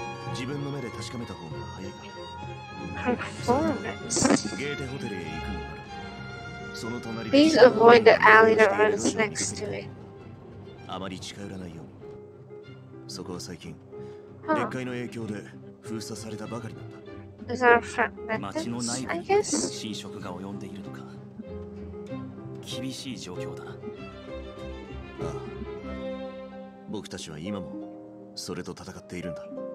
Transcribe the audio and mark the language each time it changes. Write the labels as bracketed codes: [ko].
[ja] 自分の目で確かめた方が早いから。ゲーテホテルへ行くのならその隣で、 [en] Please avoid the alley that runs next to it. [ja] あまり近寄らないように。そこは最近、熱海の影響で封鎖されたばかりなんだ。町の内部に侵食が及んでいるとか、厳しい状況だな。ああ、僕たちは今もそれと戦っているんだ。